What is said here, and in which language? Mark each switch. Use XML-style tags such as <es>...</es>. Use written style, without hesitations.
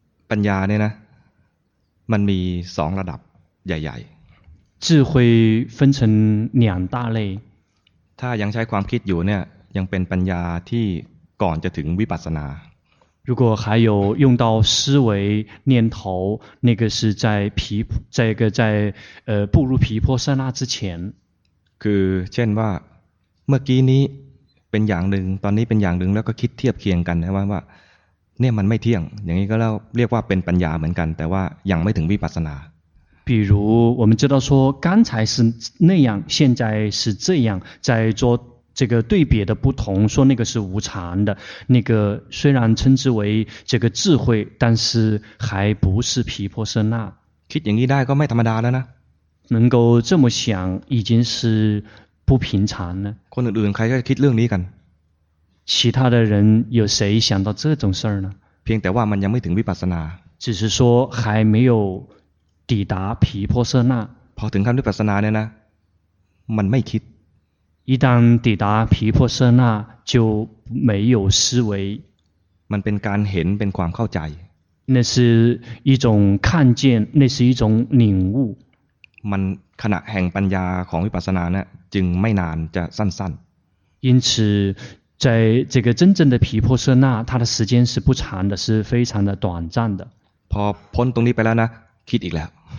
<th>ปัญญาเนี่ยนะมันมีสองระดับใหญ่</th> <zh>ๆ智慧分成两大类</zh> <th>ถ้ายังใช้ความคิดอยู่เนี่ยยังเป็นปัญญาที่ก่อนจะถึงวิปัสสนา</th> <zh>如果还有用到思维念头那个是在毗这个在步入毗婆舍那之前</zh> <th>คือเช่นว่าเมื่อกี้นี้เป็นอย่างนึงตอนนี้เป็นอย่างนึงแล้วก็คิดเทียบเคียงกันนะว่าเนี่ยมันไม่เที่ยงอย่างนี้ก็แล้วเรียกว่าเป็นปัญญาเหมือนกันแต่ว่ายังไม่ถึงวิปัสสนา</th> <zh>比如我们知道说刚才是那样现在是这样在做这个对比的不同说那个是无常的那个虽然称之为这个智慧但是还不是毗婆舍那</zh> <th>คิดอย่างนี้ได้ก็ไม่ธรรมดาแล้วนะ</th> <zh>能够这么想已经是不平常了</zh> <th>คนอื่นใครก็คิดเรื่องนี้กัน</th> <zh>其他的人有谁想到这种事儿呢</zh> <th>เพียงแต่ว่ามันยังไม่ถึงวิปัสสนา</th> <zh>只是说还没有抵达毗婆舍那</zh> <th>พอถึงขั้นวิปัสสนาเนี่ยนะมันไม่คิด</th> <zh>一旦抵达毗婆舍那就没有思维</zh> <th>มันเป็นการเห็นเป็นความเข้าใจ</th> <zh>那是一种看见那是一种领悟</zh> <th>มันขณะแห่งปัญญาของวิปัสสนาเนี่ยจึงไม่นานจะสั้น</th> <zh>ๆ因此在这个真正的毗婆舍那它的时间是不长的是非常的短暂的</zh> <th>พอพ้นตรงนี้ไปแล้วนะคิดอีกแล้ว</th>